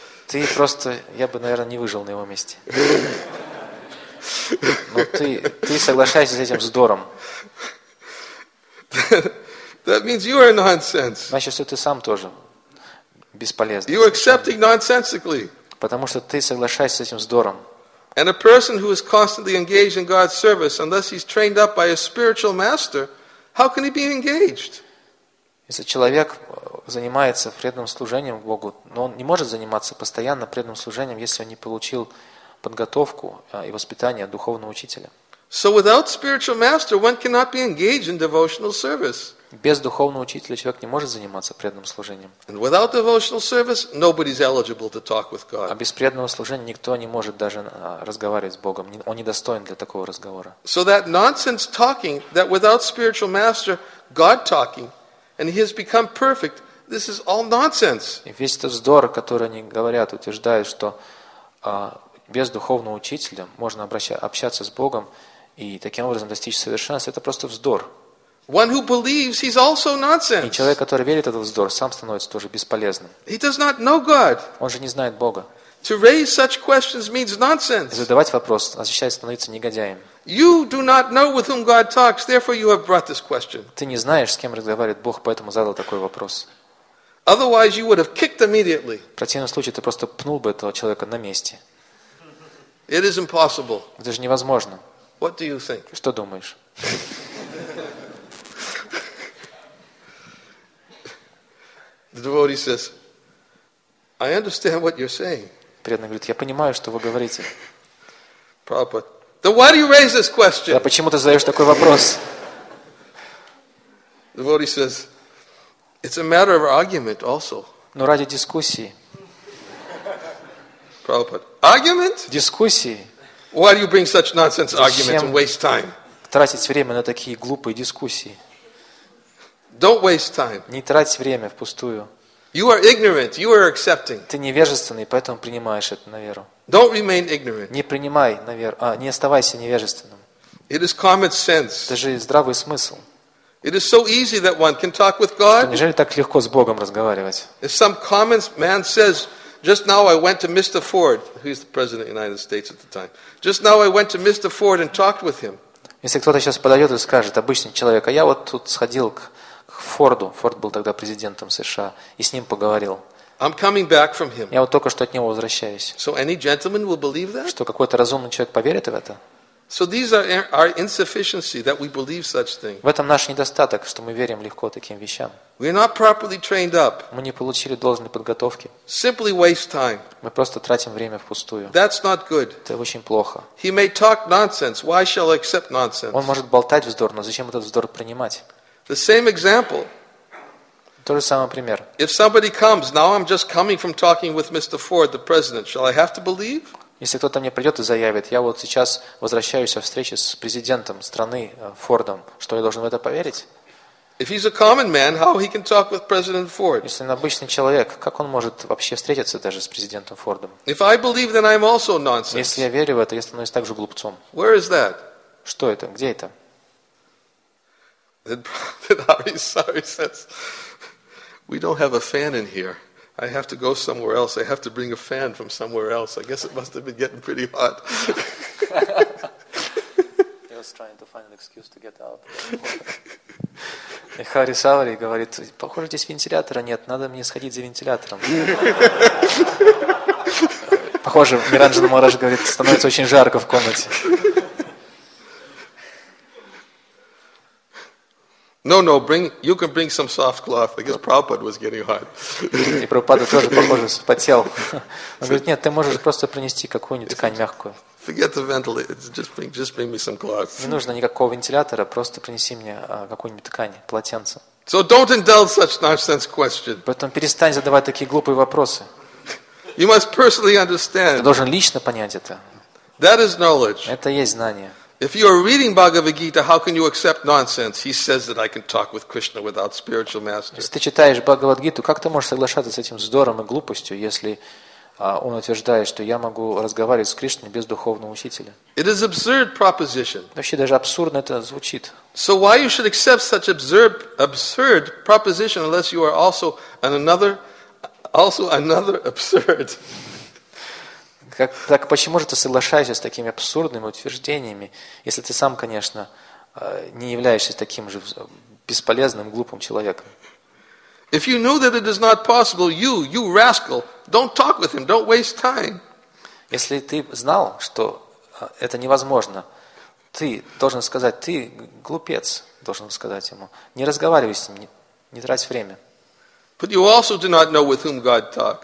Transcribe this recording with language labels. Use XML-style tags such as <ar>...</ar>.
<ru>Ты просто, я бы, наверное, не выжил на его месте. Но ты соглашаешься с этим вздором.</ru> <en>That means you are nonsense.</en> <ru>Значит, что ты сам тоже бесполезный.</ru> <en>You are accepting nonsensically.</en> <ru>Потому что ты соглашаешься с этим вздором.</ru> <en>And a person who is constantly engaged in God's service, unless he's trained up by a spiritual master, how can he be engaged?</en> <ru>Если человек занимается преданным служением Богу, но он не может заниматься постоянно преданным служением, если он не получил подготовку и воспитание духовного учителя.</ru> <en>So without spiritual master, one cannot be engaged in devotional service.</en> <ru>Без духовного учителя человек не может заниматься преданным служением.</ru> <en>And without devotional service, nobody's eligible to talk with God.</en> <ru>А без преданного служения никто не может даже разговаривать с Богом. Он недостоин для такого разговора.</ru> <en>So that nonsense talking, that without spiritual master, God talking, and he has become perfect, this is all nonsense.</en> <ru>И весь этот вздор, который они говорят, утверждают, что без духовного учителя можно общаться с Богом и таким образом достичь совершенства, это просто вздор.</ru> <en>One who believes, he's also nonsense.</en> <ru>И человек, который верит в этот вздор, сам становится тоже бесполезным.</ru> <en>He does not know God.</en> <ru>Он же не знает Бога.</ru> <en>To raise such questions means nonsense.</en> <ru>И задавать вопрос означает становиться негодяем.</ru> <en>You do not know with whom God talks, therefore you have brought this question.</en> <ru>Ты не знаешь, с кем разговаривает Бог, поэтому задал такой вопрос.</ru> <en>Otherwise, you would have kicked immediately.</en> <ru>В противном случае ты просто пнул бы этого человека на месте.</ru> <en>It is impossible.</en> <ru>Это же невозможно.</ru> <en>What do you think?</en> <ru>Что думаешь?</ru> <en>The devotee says, "I understand what you're saying."</en> <ru>Преданный говорит, я понимаю, что вы говорите.</ru> <en>Prabhupada, then why do you raise this question?</en> <ru>Да почему ты задаешь такой вопрос?</ru> <en>The devotee says, "It's a matter of argument, also."</en> <ru>Но ради дискуссии.</ru> <en>Prabhupada, argument?</en> <ru>Дискуссии.</ru> <en>Why do you bring such nonsense arguments and waste time?</en> <ru>Тратить время на такие глупые дискуссии.</ru> <en>Don't waste time.</en> <ru>Не трать время впустую.</ru> <en>You are ignorant. You are accepting.</en> <ru>Ты невежественный, поэтому принимаешь это на веру.</ru> <en>Don't remain ignorant.</en> <ru>Не принимай на веру, не оставайся невежественным.</ru> <en>It is common sense.</en> <ru>Это же здравый смысл.</ru> <en>It is so easy that one can talk with God.</en> <ru>Неужели так легко с Богом разговаривать?</ru> <en>If some common man says, "Just now I went to Mr. Ford, who's the president of the United States at the time. Just now I went to Mr. Ford and talked with him."</en> <ru>Если кто-то сейчас подойдет и скажет, обычный человек, а я вот тут сходил к Форду. Форд был тогда президентом США. И с ним поговорил.</ru> <en>I'm coming back from him.</en> <ru>Я вот только что от него возвращаюсь.</ru> <en>So any gentleman will believe that?</en> <ru>Что какой-то разумный человек поверит в это?</ru> <en>So these are our insufficiency, that we believe such things.</en> <ru>В этом наш недостаток, что мы верим легко таким вещам.</ru> <en>We are not properly trained up.</en> <ru>Мы не получили должной подготовки.</ru> <en>Simply waste time.</en> <ru>Мы просто тратим время впустую.</ru> <en>That's not good.</en> <ru>Это очень плохо.</ru> <en>He may talk nonsense. Why shall I accept nonsense?</en> <ru>Он может болтать вздор, но зачем этот вздор принимать?</ru> <en>The same example.</en> <ru>Тот же самый пример.</ru> <en>If somebody comes, now I'm just coming from talking with Mr. Ford, the president. Shall I have to believe?</en> <ru>Если кто-то мне придет и заявит, я вот сейчас возвращаюсь со встречи с президентом страны Фордом, что я должен в это поверить?</ru> <en>If he's a common man, how he can talk with President Ford?</en> <ru>Если он обычный человек, как он может вообще встретиться даже с президентом Фордом?</ru> <en>If I believe, then I'm also nonsense.</en> <ru>Если я верю в это, я становлюсь также глупцом.</ru> <en>Where is that?</en> <ru>Что это? Где это?</ru> <en>Then Ari Sari says, "We don't have a fan in here. I have to go somewhere else. I have to bring a fan from somewhere else. I guess it must have been getting pretty hot." He was trying to find an excuse to get out.</en> <ru>И Хари Савари говорит, похоже, здесь вентилятора нет. Надо мне сходить за вентилятором. Похоже, Миранджа Намараш говорит, становится очень жарко в комнате.</ru> <en>No, bring, you can bring some soft cloth. I guess Prabhupada was getting hot.</en> <ru>И Прабхупада тоже, похоже, вспотел. Он говорит, нет, ты можешь просто принести какую-нибудь ткань мягкую.</ru> <en>Forget the ventilator, just bring me some cloth.</en> <ru>Не нужно никакого вентилятора, просто принеси мне какую-нибудь ткань, полотенце.</ru> <en>So don't indulge such nonsense question.</en> <ru>Поэтому перестань задавать такие глупые вопросы.</ru> <en>You must personally understand.</en> <ru>Ты должен лично понять это.</ru> <en>That is knowledge.</en> <ru>Это есть знание.</ru> <en>If you are reading Bhagavad Gita, how can you accept nonsense? He says that I can talk with Krishna without spiritual master.</en> <ru>Если ты читаешь Бхагавад-гиту, как ты можешь соглашаться с этим вздором и глупостью, если он утверждает, что я могу разговаривать с Кришной без духовного учителя.</ru> <en>It is absurd proposition.</en> <ru>Вообще даже абсурдно это звучит.</ru> <en>So why you should accept such absurd proposition unless you are also another absurd?</en> <ru>Так почему же ты соглашаешься с такими абсурдными утверждениями, если ты сам, конечно, не являешься таким же бесполезным, глупым человеком?</ru> <en>If you know that it is not possible, you rascal, don't talk with him, don't waste time.</en> <ru>Если ты знал, что это невозможно, ты должен сказать, ты глупец, должен сказать ему, не разговаривай с ним, не трать время.</ru> <en>But you also do not know with whom God talks.</en>